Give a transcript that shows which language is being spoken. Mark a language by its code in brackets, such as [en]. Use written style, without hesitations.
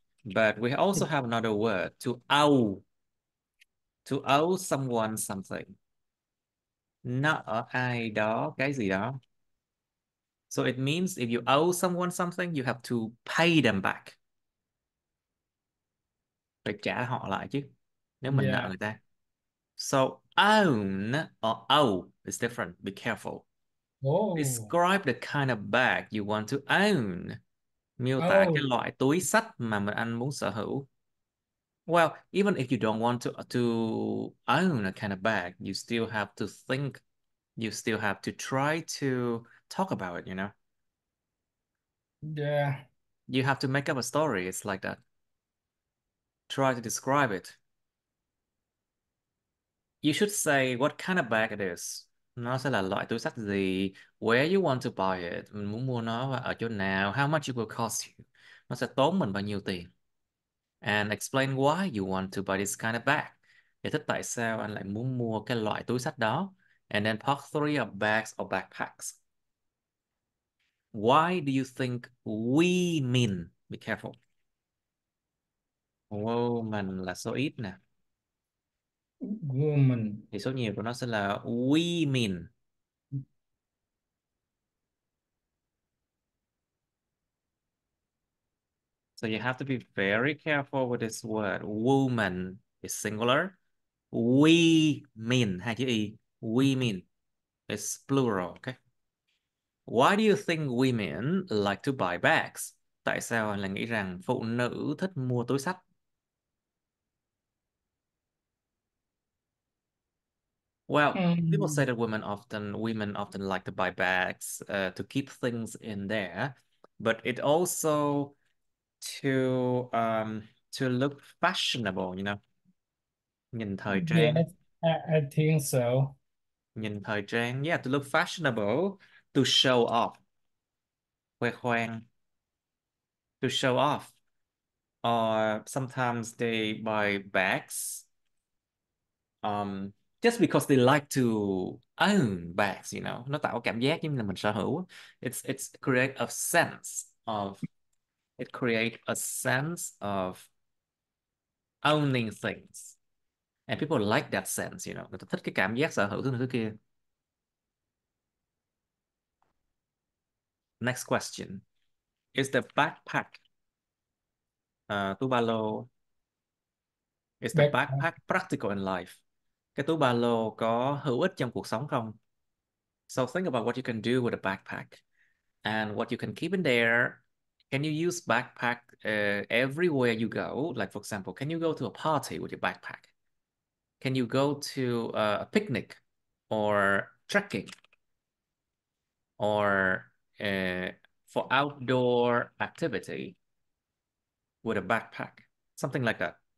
[en] But we also have another word, to owe someone something. [vi] Nợ ai đó, cái gì đó. [en] So it means if you owe someone something, you have to pay them back. [vi] Phải trả họ lại chứ, nếu mình nợ người ta. [en] So own or owe is different, be careful. Oh. Describe the kind of bag you want to own. [vi] Miêu tả cái loại túi sách mà mình anh muốn sở hữu. [en] Well, even if you don't want to own a kind of bag, you still have to think, you still have to try to talk about it, you know? Yeah. You have to make up a story, it's like that. Try to describe it. You should say what kind of bag it is. [vi] Nó sẽ là loại túi sách gì, [en] where you want to buy it, [vi] mình muốn mua nó ở chỗ nào, [en] how much it will cost you. [vi] Nó sẽ tốn mình bao nhiêu tiền. [en] And explain why you want to buy this kind of bag. [vi] Giải thích tại sao anh lại muốn mua cái loại túi sách đó. [en] And then part three of bags or backpacks. Why do you think we mean? Be careful. [vi] Woman là số ít nè. [en] Woman. [vi] Thì số nhiều của nó sẽ là we mean. [en] So you have to be very careful with this word. Woman is singular. We mean, [vi] hai chữ y. [en] We mean is plural, okay? Why do you think women like to buy bags? [vi] Tại sao anh lại nghĩ rằng phụ nữ thích mua túi sách? [en] Well, people say that women often like to buy bags to keep things in there, but it also to look fashionable, you know, [vi] nhìn thời trang. [en] Yes, I think so. [vi] Nhìn thời trang. [en] Yeah, to look fashionable. To show off. [vi] Khoe khoang. [en] To show off. Or sometimes they buy bags. Just because they like to own bags, you know. [vi] Nó tạo cảm giác giống như là mình sở hữu. [en] It's create a sense of it create a sense of owning things. And people like that sense, you know. [vi] Người ta thích cái cảm giác sở hữu thứ kia. [en] Next question. Is the backpack [vi] túi ba lô, [en] is the Back. backpack practical in life? [vi] Cái túi ba lô có hữu ích trong cuộc sống không? [en] So think about what you can do with a backpack and what you can keep in there. Can you use backpack everywhere you go? Like for example, can you go to a party with your backpack? Can you go to a picnic or trekking or for outdoor activity with a backpack? Something like that.